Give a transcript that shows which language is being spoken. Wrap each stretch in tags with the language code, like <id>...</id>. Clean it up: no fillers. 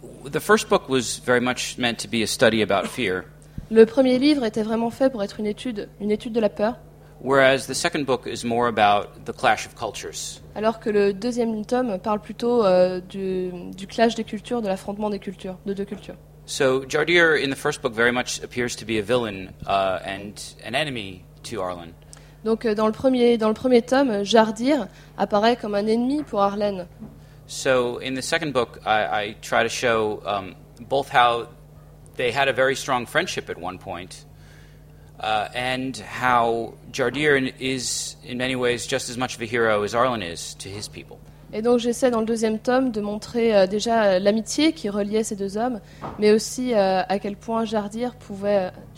<en>The first book was very much meant to be a study about fear.</en> <fr>Le premier livre était vraiment fait pour être une étude de la peur.</fr> <en>Whereas the second book is more about the clash of cultures.</en> <fr>Alors que le deuxième tome parle plutôt du clash des cultures, de l'affrontement des cultures, de deux cultures.</fr> <en>So Jardir in the first book very much appears to be a villain and an enemy to Arlen.</en> <fr>Donc dans le premier tome, Jardir apparaît comme un ennemi pour Arlen.</fr> <en>So in the second book I try to show both how they had a very strong friendship at one point and how Jardir is in many ways just as much of a hero as Arlen is to his people.</en> <fr>Et donc j'essaie dans le deuxième tome de montrer déjà l'amitié qui reliait ces deux hommes, mais aussi à quel point Jardir pouvait...</fr>